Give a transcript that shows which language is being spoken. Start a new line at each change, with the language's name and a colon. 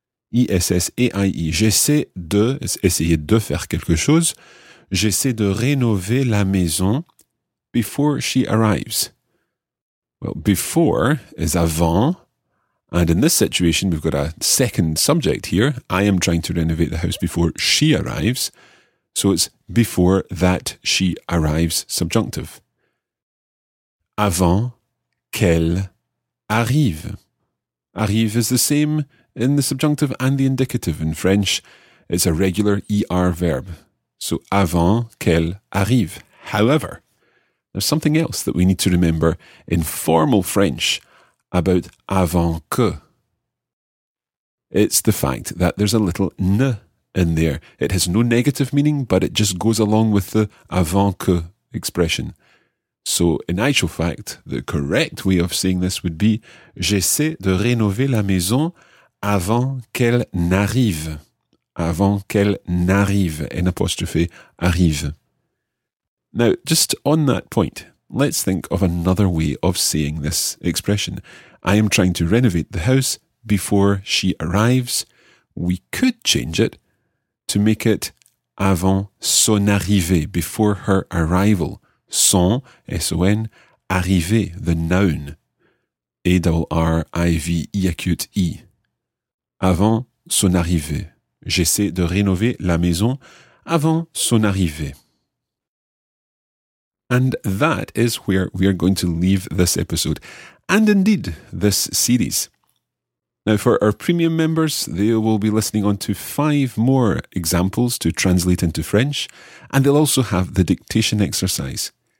French: E-S-S-A-I-E. J'essaie de, essayer de faire quelque chose. J'essaie de rénover la maison
English: before she arrives. Well, before is avant. And in this situation, we've got a second subject here. I am trying to renovate the house before she arrives. So it's before that she arrives, subjunctive.
French: Avant qu'elle arrive.
English: Arrive is the same in the subjunctive and the indicative. In French, it's a regular ER verb. So
French: avant qu'elle arrive.
English: However, there's something else that we need to remember in formal French about avant que. It's the fact that there's a little ne in there. It has no negative meaning, but it just goes along with the avant que expression. So in actual fact, the correct way of saying this would be
French: j'essaie de rénover la maison avant qu'elle n'arrive. Avant qu'elle n'arrive,
English: in apostrophe,
French: arrive.
English: Now, just on that point, let's think of another way of saying this expression. I am trying to renovate the house before she arrives. We could change it to make it
French: avant son arrivée,
English: before her arrival. Son, S-O-N, arrivée, the noun.
French: A-R-I-V-E acute E. Avant son arrivée. J'essaie de rénover la maison avant son arrivée.
English: And that is where we are going to leave this episode, and indeed this series. Now, for our premium members, they will be listening on to 5 more examples to translate into French, and they'll also have the dictation exercise.